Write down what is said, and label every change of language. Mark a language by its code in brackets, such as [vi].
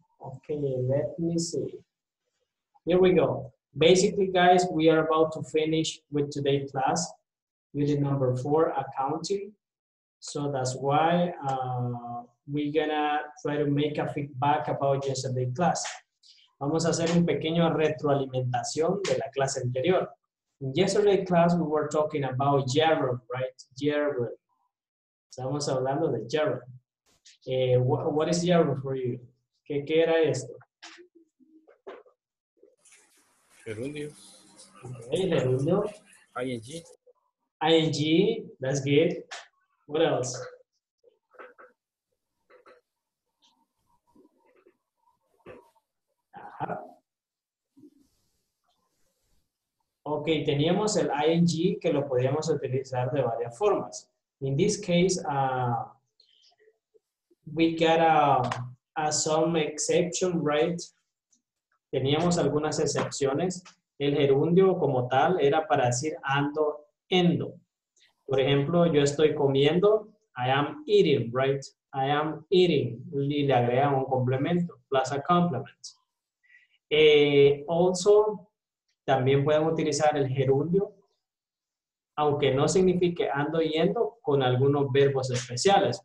[en] Okay, let me see. Here we go. Basically, guys, we are about to finish with today's class, unit number 4, accounting. So that's why we're gonna try to make a feedback about yesterday's class. [es] Vamos a hacer un pequeño retroalimentación de la clase anterior. [en] In yesterday's class, we were talking about Jerome, right? [es] Jerome. Estamos hablando de Jerome. [en] What is Jerome for you? [es] ¿Qué era esto? Gerundio. Okay, Gerundio. [en] ING. ING, that's good. What else? [es] Ok, teníamos el ing que lo podíamos utilizar de varias formas. [en] In this case, we got some exception, right? [es] Teníamos algunas excepciones. El gerundio como tal era para decir ando, endo. Por ejemplo, yo estoy comiendo, [en] I am eating, right? I am eating, [es] y le agregan un complemento, [en] plus a complement. [es] Also, también pueden utilizar el gerundio, aunque no signifique ando yendo, con algunos verbos especiales.